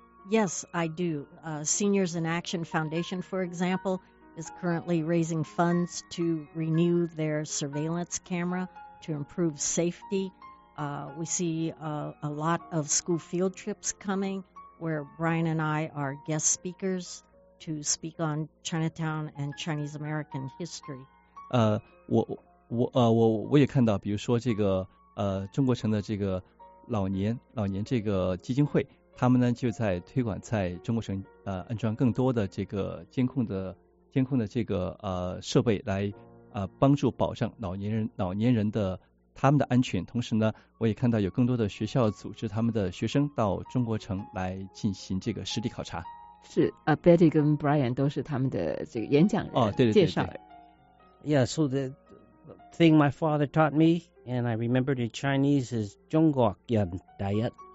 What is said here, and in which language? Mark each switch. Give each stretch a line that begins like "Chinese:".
English: Yes, I do. Seniors in Action Foundation, for example, is currently raising funds to renew their surveillance camera to improve safety. We see a lot of school field trips coming where Brian and I are guest speakers to speak on Chinatown and Chinese American history.
Chinese: 我也看到，比如说这个中国城的这个老年这个基金会，他们呢就在推广在中国城安装更多的这个监控的这个设备来帮助保障老年人的他们的安全。同时呢，我也看到有更多的学校组织他们的学生到中国城来进行这个实地考察。是啊 ，Betty 跟 Brian 都是他们的这个演讲人哦，对对介绍。
English: Yeah, so the thing my father taught me and I remembered in Chinese is 中国人 diet。